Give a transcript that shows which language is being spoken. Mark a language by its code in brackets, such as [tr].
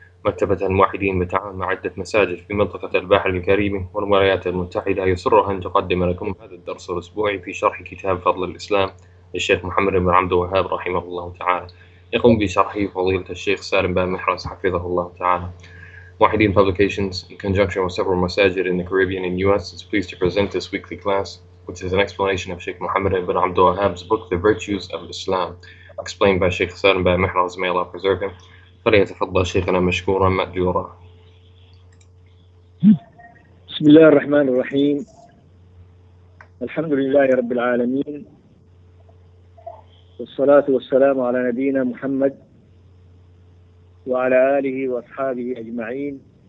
[ar] مكتبة الموحدين بتعاون مع عدة مساجد في منطقة البحر الكريمي والولايات المتحدة يسرها أن تقدم لكم هذا الدرس الأسبوعي في شرح كتاب فضل الإسلام للشيخ محمد بن عبد الوهاب رحمه الله تعالى. يقوم بشرحه فضيلة الشيخ سالم بن محرز حفظه الله تعالى. [en] موحدين Publications in conjunction with several مساجد in the Caribbean and US is pleased to present this weekly class, which is an explanation of Sheikh Muhammad ibn Abdul Wahhab's book, The Virtues of Islam, explained by Sheikh Salim bin Mihraz, may Allah preserve him. [ar] فليتفضل شيخنا مشكورا مأجورا. بسم الله الرحمن الرحيم. الحمد لله رب العالمين، والصلاة والسلام على نبينا محمد وعلى آله وأصحابه أجمعين.